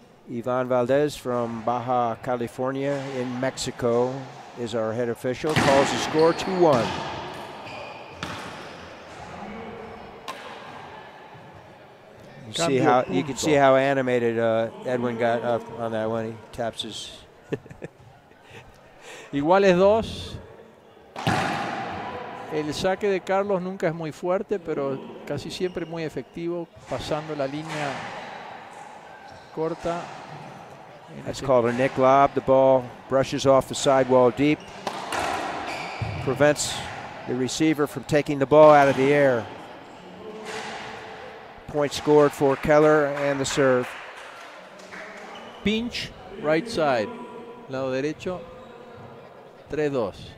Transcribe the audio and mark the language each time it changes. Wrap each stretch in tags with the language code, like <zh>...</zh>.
<en>Ivan Valdez from Baja California in Mexico is our head official. Calls the score 2-1. See how you can see how animated Edwin got up on that one. He taps his.</en> <es>Iguales dos. El saque de Carlos nunca es muy fuerte, pero casi siempre muy efectivo, pasando la línea corta.</es> <en>That's called a nick lob. The ball brushes off the sidewall deep, prevents the receiver from taking the ball out of the air. Point scored for Keller and the serve. Pinch, right side.</en> <es>Lado derecho,</es> <en>3-2.</en>